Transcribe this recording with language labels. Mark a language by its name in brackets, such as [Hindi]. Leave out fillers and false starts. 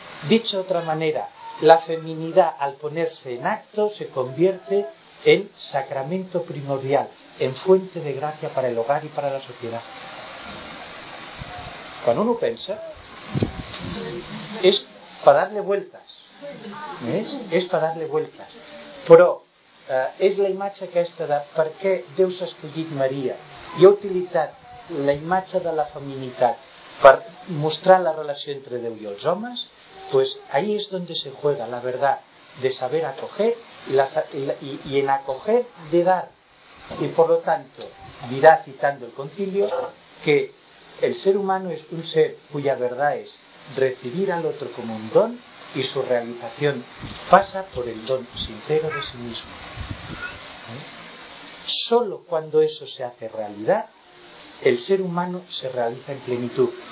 [Spanish] Dicho de otra manera, la feminidad al ponerse en acto se convierte en sacramento primordial, en fuente de gracia para el hogar y para la sociedad. Cuando uno piensa, es para darle vueltas, ¿ves? Es para darle vueltas. Pero es la [Catalan] imatge aquesta de per què Déu s'ha escollit Maria i ha utilitzat la imatge de la feminitat per mostrar la relació entre Déu i els homes, [Spanish] pues ahí es donde se juega la verdad de saber acoger y en acoger de dar. Y por lo tanto, dirá citando el concilio que el ser humano es un ser cuya verdad es recibir al otro como un don y su realización pasa por el don sincero de sí mismo. Solo cuando eso se hace realidad, el ser humano se realiza en plenitud.